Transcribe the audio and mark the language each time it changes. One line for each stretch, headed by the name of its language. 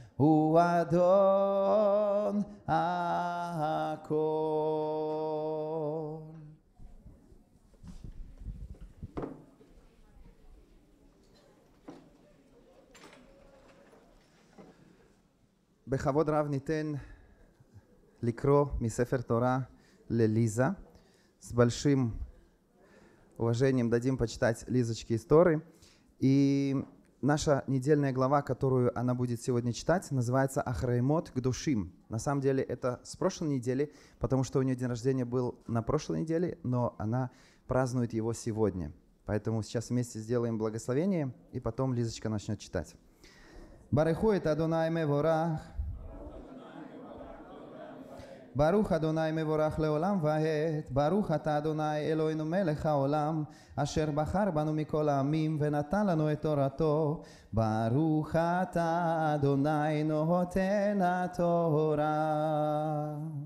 Hebrew: הוא אדון הכל. בכבוד רב ניתן לקרוא מספר תורה לליזה.
Russian: С большим уважением дадим почитать Лизочке истории. И наша недельная глава, которую она будет сегодня читать, называется «Ахраймот к душим». На самом деле это с прошлой недели, потому что у нее день рождения был на прошлой неделе, но она празднует его сегодня. Поэтому сейчас вместе сделаем благословение, и потом Лизочка начнет читать.
Hebrew: Бареху эт Адонай меворах. ברוך אדוני מבורך לעולם ועד, ברוך אתה אדוני אלוהינו מלך העולם, אשר בחר בנו מכל העמים ונתן לנו את תורתו, ברוך אתה אדוני נותן התורה.